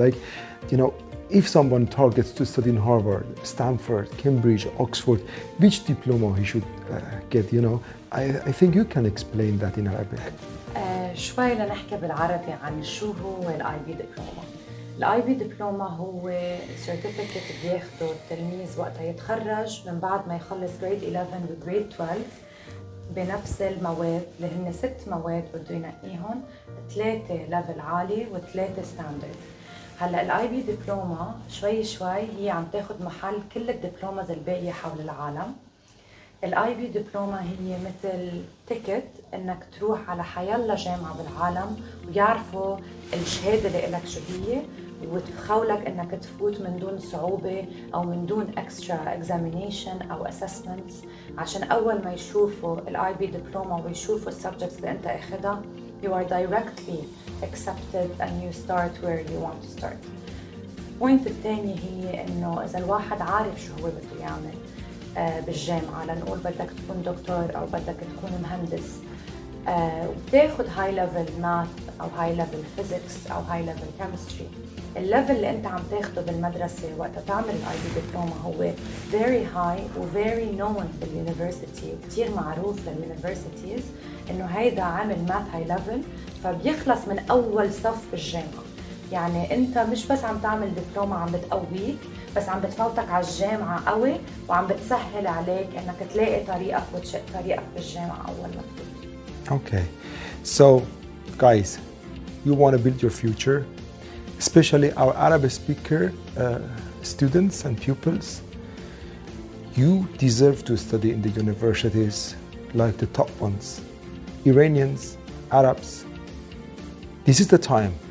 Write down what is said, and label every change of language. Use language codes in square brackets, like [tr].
[en] Like, you know, if someone targets to study in Harvard, Stanford, Cambridge, Oxford, which diploma he should get, you know? I think you can explain that in Arabic. [ar] شوي لنحكي بالعربي عن شو هو الIB diploma. الاي بي دبلوما هو سيرتيفيكت بياخده التلميذ وقت يتخرج من بعد ما يخلص جريد 11 وجريد 12 بنفس المواد اللي هن ست مواد بده ينقيهم، ثلاثه ليفل عالي وثلاثه ستاندرد. هلا الاي بي دبلوما شوي شوي هي عم تاخذ محل كل الدبلوماز الباقيه حول العالم. الاي بي دبلوما هي مثل تيكت انك تروح على حيلا جامعه بالعالم ويعرفوا الشهاده اللي لك شو هي وتخولك انك تفوت من دون صعوبه او من دون اكسترا اكزامينيشن او اسسمنتس، عشان اول ما يشوفوا الاي بي دبلوما ويشوفوا السبجكتس اللي انت اخذها [en] you are directly accepted and you start where you want to start. [ar] البوينت الثانيه هي انه اذا الواحد عارف شو هو بده يعمل بالجامعة، لنقول بدك تكون دكتور أو بدك تكون مهندس وتاخد هاي ليفل ماث أو هاي ليفل فيزيكس أو هاي ليفل كيمستري، الليفل اللي انت عم تاخده بالمدرسة وقت تعمل الاي بي دبلوما هو [en] very high [ar] و [en] very known [ar] في اليونيفرسيتي، كتير معروف في اليونيفرسيتيز انه هيدا عامل ماث هاي ليفل، فبيخلص من أول صف بالجامعة. يعني انت مش بس عم تعمل دبلوما عم بتقويك، بس عم بتفوتك على الجامعة قوي وعم بتسهل عليك انك تلاقي طريقك وتشق طريقك بالجامعة اول ما تفوت. [en] Okay. So guys, you want to build your future, especially our Arab speaker students and pupils. You deserve to study in the universities like the top ones. Iranians, Arabs. This is the time.